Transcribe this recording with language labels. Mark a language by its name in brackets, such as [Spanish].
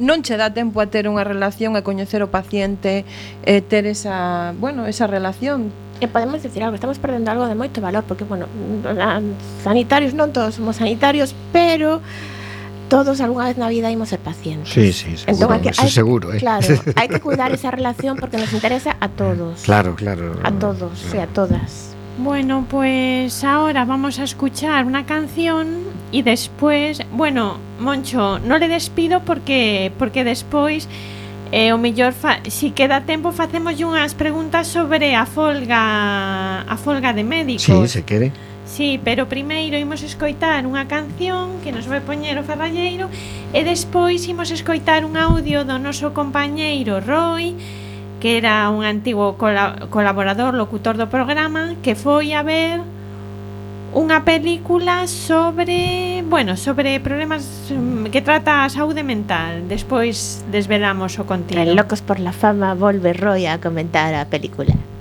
[Galician] non che dá tempo a ter unha relación, a coñecer o paciente, ter esa, bueno, esa relación. E podemos decir algo, estamos perdendo algo de moito valor, porque bueno, sanitarios, non todos somos sanitarios, pero todos alguna vez na vida imos ser pacientes. Sí, sí, seguro. Entonces, seguro, ¿eh? Claro, hai que cuidar esa relación porque nos interesa a todos. Claro, claro. A todos, claro. Sí, a todas. [Spanish] Bueno, pues ahora vamos a escuchar una canción y después, bueno, Moncho, no le despido porque después [Galician] o mellor, si queda tempo, facemos unhas preguntas sobre a folga de médicos. Sí, se quere. Sí, pero primeiro imos escoitar unha canción que nos vai poñer o Farralleiro e despois imos escoitar un audio do noso compañeiro Roy, que era un antigo colaborador, locutor do programa, que foi a ver unha película sobre problemas que trata a saúde mental. Despois desvelamos o contido. En Locos por la Fama volve Roy a comentar a película.